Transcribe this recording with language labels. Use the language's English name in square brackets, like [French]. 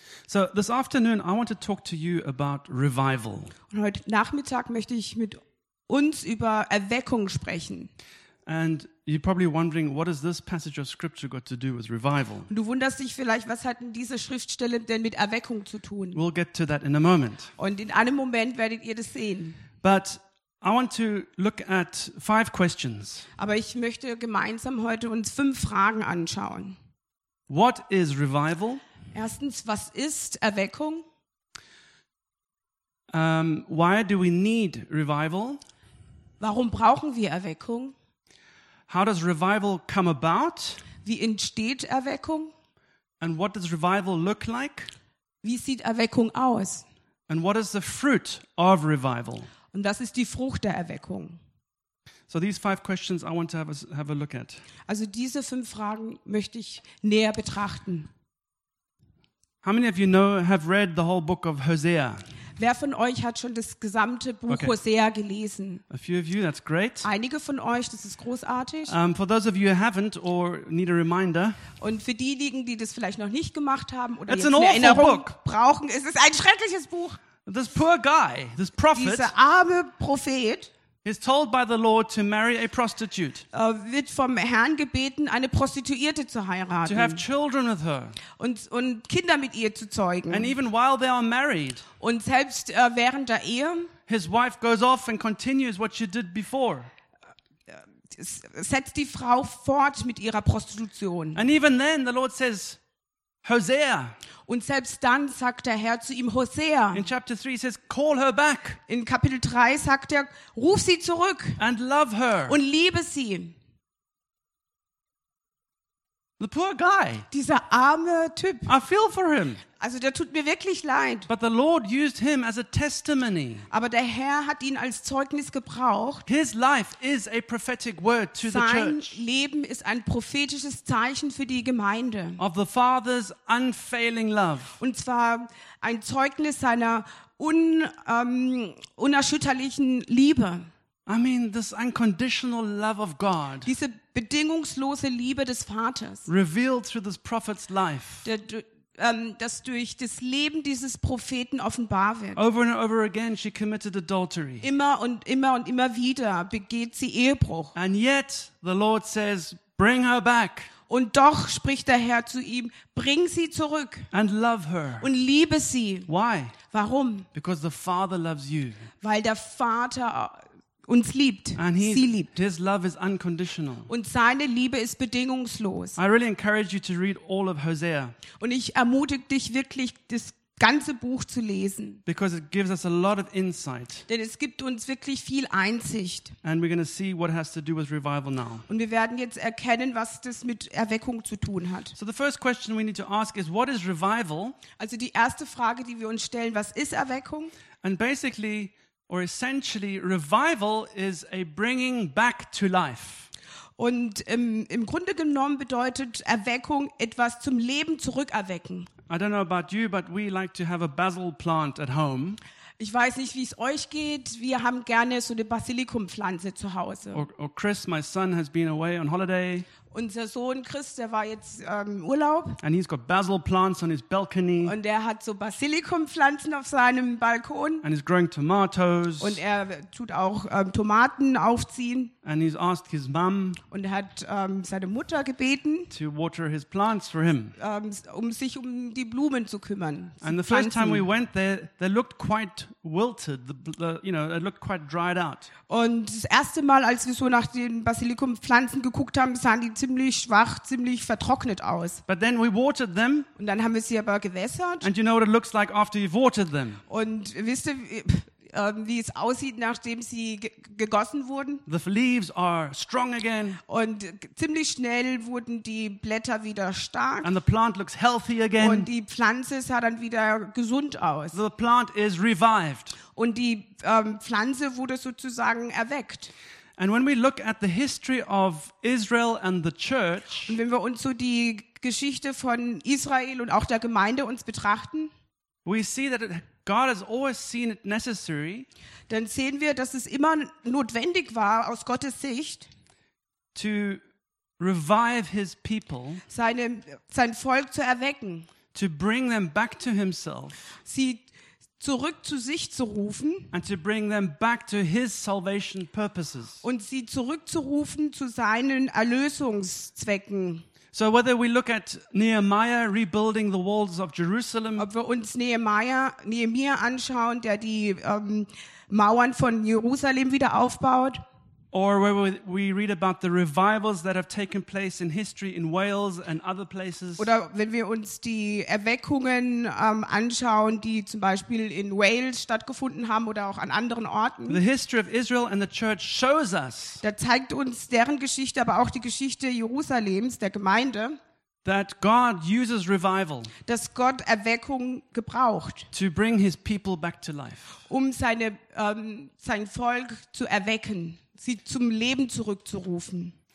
[English] So this afternoon I want to talk to you about revival. [German] Und heute Nachmittag möchte ich mit uns über Erweckung sprechen. [English] And you're probably wondering, what has this passage of scripture got to do with revival? [German] Du wunderst dich vielleicht, was hat denn diese Schriftstelle denn mit Erweckung zu tun? [English] We'll get to that in a moment. [German] Und in einem Moment werdet ihr das sehen. [English] But I want to look at five questions. [German] Aber ich möchte gemeinsam heute uns fünf Fragen anschauen. [English] What is revival? [German] Erstens, was ist Erweckung? [English] Why do we need revival? [German] Warum brauchen wir Erweckung? [English] How does revival come about? [German] Wie entsteht Erweckung? [English] And what does revival look like? [German] Wie sieht Erweckung aus? [English] And what is the fruit of revival? [German] Und das ist die Frucht der Erweckung. [English] So these five questions I want to have a look at. [German] Also diese fünf Fragen möchte ich näher betrachten. [English] How many of you have read the whole book of Hosea? [German] Wer von euch hat schon das gesamte Buch Hosea gelesen? [English] A few of you, that's great. [German] Einige von euch, das ist großartig. [English] For those of you who haven't or need a reminder. [German] Und für diejenigen, die das vielleicht noch nicht gemacht haben oder jetzt eine Erinnerung brauchen, es ist ein schreckliches Buch. [English] This poor guy, this prophet, [German] dieser arme Prophet, [English] is told by the Lord to marry a prostitute. [German] Wird vom Herrn gebeten, eine Prostituierte zu heiraten. [English] To have children with her. [German] Und Kinder mit ihr zu zeugen. [English] And even while they are married. [German] Und selbst während der Ehe. [English] His wife goes off and continues what she did before. [German] Setzt die Frau fort mit ihrer Prostitution. [English] And even then, the Lord says, Hosea. [German] Und selbst dann sagt der Herr zu ihm Hosea. [English] In chapter 3 says call her back. [German] In Kapitel 3 sagt er ruf sie zurück. [English] And love her. [German] Und liebe sie. [English] The poor guy. [German] Dieser arme Typ. [English] I feel for him. [German] Also der tut mir wirklich leid. [English] But the Lord used him as a testimony. [German] Aber der Herr hat ihn als Zeugnis gebraucht. [English] His life is a prophetic word to the church. [German] Sein Leben ist ein prophetisches Zeichen für die Gemeinde. [English] Of the Father's unfailing love. [German] Und zwar ein Zeugnis seiner unerschütterlichen Liebe. [English] I mean this unconditional love of God. [German] Diese bedingungslose Liebe des Vaters. [English] Revealed through this prophet's life. [German] Das durch das Leben dieses Propheten offenbar wird. [English] Over and over again she committed adultery. [German] Immer und immer wieder begeht sie Ehebruch. [English] And yet the Lord says, bring her back. [German] Und doch spricht der Herr zu ihm, bring sie zurück. [English] And love her. [German] Und liebe sie. [English] Why? [German] Warum? [English] Because the Father loves you. [German] Weil der Vater uns liebt, [English] and [German] sie liebt. [English] His love is unconditional. [German] Und seine Liebe ist bedingungslos. [English] I really encourage you to read all of Hosea. [German] Und ich ermutige dich wirklich, das ganze Buch zu lesen. [English] Because it gives us a lot of insight. [German] Denn es gibt uns wirklich viel Einsicht. [English] And we're going to see what has to do with revival now. [German] Und wir werden jetzt erkennen, was das mit Erweckung zu tun hat. [English] So the first question we need to ask is, what is revival? [German] Also die erste Frage, die wir uns stellen, was ist Erweckung? [English] And basically, or essentially, revival is a bringing back to life. [German] Und im Grunde genommen bedeutet Erweckung etwas zum Leben zurückerwecken. [English] I don't know about you, but we like to have a basil plant at home. [German] Ich weiß nicht, wie es euch geht. Wir haben gerne so eine Basilikumpflanze zu Hause. [English] Or Chris, my son, has been away on holiday. [German] Unser Sohn Chris, der war jetzt Urlaub. [English] And he's got basil plants on his balcony. [German] Und er hat so Basilikumpflanzen auf seinem Balkon. [English] And he's growing tomatoes. [German] Und er tut auch Tomaten aufziehen. [English] And he's asked his mom. [German] Und er hat seine Mutter gebeten. [English] To water his plants for him. [German] Um sich um die Blumen zu kümmern. [English] And the first time we went there, they looked quite wilted. They looked quite dried out. [German] Und das erste Mal, als wir so nach den Basilikumpflanzen geguckt haben, sahen die ziemlich schwach, ziemlich vertrocknet aus. [English] But then we watered them. [German] Und dann haben wir sie aber gewässert. [English] And you know what it looks like after you've watered them. [German] Und wisst ihr, wie es aussieht, nachdem sie gegossen wurden? [English] The leaves are strong again. [German] Und ziemlich schnell wurden die Blätter wieder stark. [English] And the plant looks healthy again. [German] Und die Pflanze sah dann wieder gesund aus. [English] The plant is revived. [German] Und die Pflanze wurde sozusagen erweckt. [English] And when we look at the history of Israel and the church, [German] und wenn wir uns so die Geschichte von Israel und auch der Gemeinde uns betrachten, [English] we see that God has always seen it necessary, [German] dann sehen wir, dass es immer notwendig war aus Gottes Sicht, [English] to revive his people, [German] sein Volk zu erwecken, [English] to bring them back to himself, [German] sie zurück zu sich zu rufen, [English] and to bring them back to his salvation purposes, [German] und sie zurückzurufen zu seinen Erlösungszwecken. [English] So whether we look at Nehemiah rebuilding the walls of Jerusalem, [German] ob wir uns Nehemiah anschauen, der die Mauern von Jerusalem wieder aufbaut, [English] or whether we read about the revivals that have taken place in history in Wales and other places, [German] oder wenn wir uns die Erweckungen anschauen, die zum Beispiel in Wales stattgefunden haben oder auch an anderen Orten, [English] the history of Israel and the church shows us, [German] da zeigt uns deren Geschichte, aber auch die Geschichte Jerusalems, der Gemeinde, [English] that God uses revival, [German] dass Gott Erweckung gebraucht, [English] to bring his people back to life, [German] um seine sein Volk zu erwecken, sie zum Leben zurückzurufen.